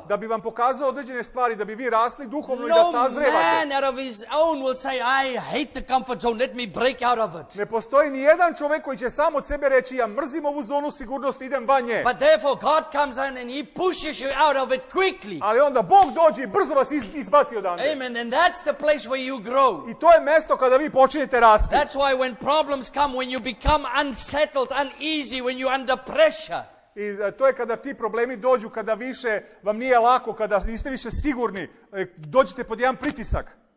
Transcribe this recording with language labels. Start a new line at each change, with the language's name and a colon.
Serbian: Da bi vam pokazao određene stvari, da bi vi rasli duhovno, i da sazrevate.
English: No man out of his own will say, I hate the comfort zone, let me break out of it.
Serbian: Ne postoji ni jedan čovjek koji će sam od sebe reći, ja mrzim ovu zonu sigurnosti, idem van nje.
English: But therefore God comes in and he pushes you out of it quickly.
Serbian: Ali onda Bog dođe i brzo vas izbaci odande. Amen.
English: And that's the place where you grow.
Serbian: To je mjesto kada vi počinjete rasti.
English: That's why when problems come, when you become unsettled, uneasy, when you're under pressure.
Serbian: I to je kada ti problemi dođu, kada više vam nije lako, kada niste više sigurni, dođete pod jedan pritisak.